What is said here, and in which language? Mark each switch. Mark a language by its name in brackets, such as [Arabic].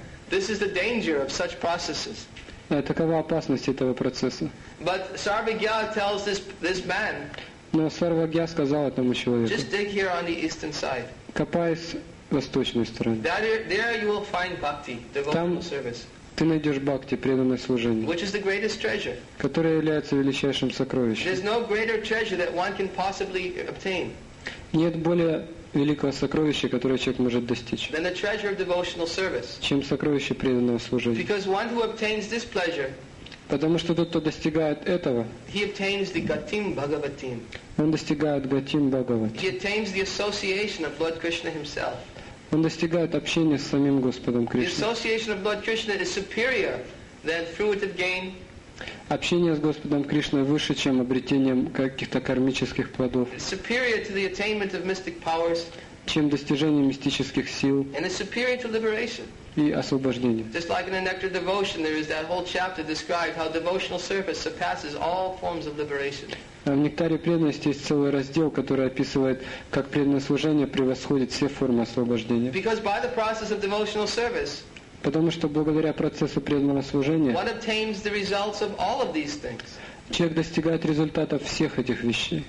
[English] This is the danger of such processes. [Russian] Такова опасность этого процесса. [English] But Sarvagya tells this man, [Russian] но Сарвагья сказал этому человеку, [English] just dig here on the eastern side, [Russian] копаясь с восточной стороны, [English] there you will find bhakti, [Russian] там [English] service, [Russian] ты найдешь бхакти, преданное служение, [English] which is the greatest treasure, [Russian] которое является величайшим сокровищем. [English] There's no greater treasure that one can possibly obtain. [Russian] Нет более великого сокровища, которое человек может достичь, [English] than the treasure of devotional service, [Russian] чем сокровище преданного служения. [English] Because one who obtains this pleasure, [Russian] потому что тот, кто достигает этого, [English] he obtains the Gatim Bhagavatim. [Russian] Он достигает Гатим Бхагаватим. [English] He attains the association of Lord Krishna himself. [Russian] Он достигает общения с самим Господом Кришной. [English] The association of Lord Krishna is superior than fruitive gain. [Russian] Общение с Господом Кришной выше, чем обретение каких-то кармических плодов. [English] It's superior to the attainment of mystic powers, [Russian] чем достижение мистических сил. [English] And it's superior to liberation. [Russian] И освобождение. [English] Just like in the Nectar of Devotion, there is that whole chapter described how devotional service surpasses all forms of liberation. [Russian] В Нектаре преданности есть целый раздел, который описывает, как преданное служение превосходит все формы освобождения. [English] Because by the process of devotional service, [Russian] потому что благодаря процессу преданного служения, [English] one obtains the results of all of these things. [Russian] Человек достигает результатов всех этих вещей.